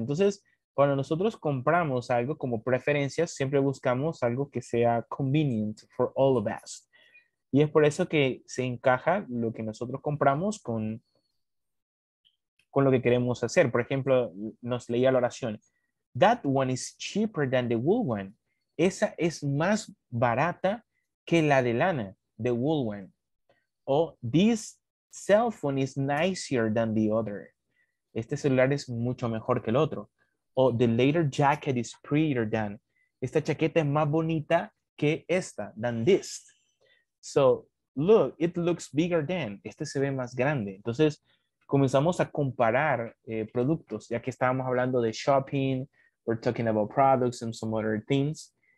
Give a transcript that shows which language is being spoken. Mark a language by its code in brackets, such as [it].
[es] Entonces, cuando nosotros compramos algo como preferencias, siempre buscamos algo que sea [en] convenient for all of us. [es] Y es por eso que se encaja lo que nosotros compramos con lo que queremos hacer. Por ejemplo, nos leía la oración. [en] That one is cheaper than the wool one. [es] Esa es más barata que la de lana, [en] the wool one. O this cell phone is nicer than the other. [es] Este celular es mucho mejor que el otro. [en] O the leather jacket is prettier than. [es] Esta chaqueta es más bonita que esta, [en] than this. So, look, it looks bigger than. [es] Este se ve más grande. Entonces, comenzamos a comparar productos, ya que estábamos hablando de shopping, [en] we're talking about products and some other things.